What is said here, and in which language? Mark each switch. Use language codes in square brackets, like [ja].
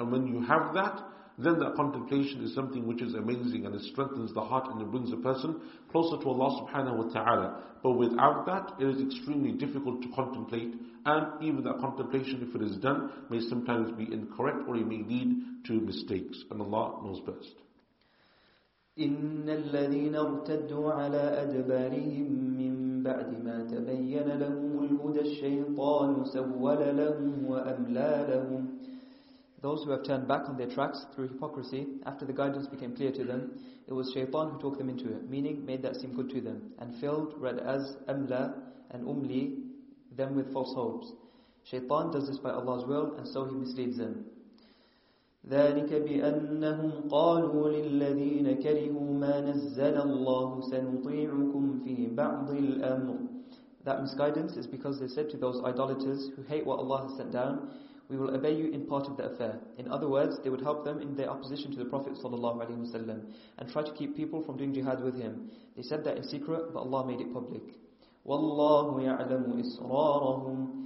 [en] And when you have that, then that contemplation is something which is amazing, and it strengthens the heart and it brings a person closer to Allah subhanahu wa ta'ala. But without that, it is extremely difficult to contemplate, and even that contemplation, if it is done, may sometimes be incorrect or it may lead to mistakes, and Allah knows best. [ar] إن الذين ارتدوا على أدبارهم من بعد ما تبين لهم الهدى الشيطان سول لهم وأملى لهم. [en] Those who have turned back on their tracks through hypocrisy, after the guidance became clear to them, it was Shaytan who took them into it, meaning made that seem good to them, and filled, read as amla and umli, them with false hopes. Shaytan does this by Allah's will, and so he misleads them. [ar] ذلك بأنهم قالوا للذين كرهوا ما نزل الله سنطيعكم في بعض الأمر. [en] That misguidance is because they said to those idolaters who hate what Allah has sent down, we will obey you in part of the affair. In other words, they would help them in their opposition to the Prophet ﷺ and try to keep people from doing jihad with him. They said that in secret, but Allah made it public. [ar] وَاللَّهُ يَعْلَمُ إِسْرَارَهُمْ.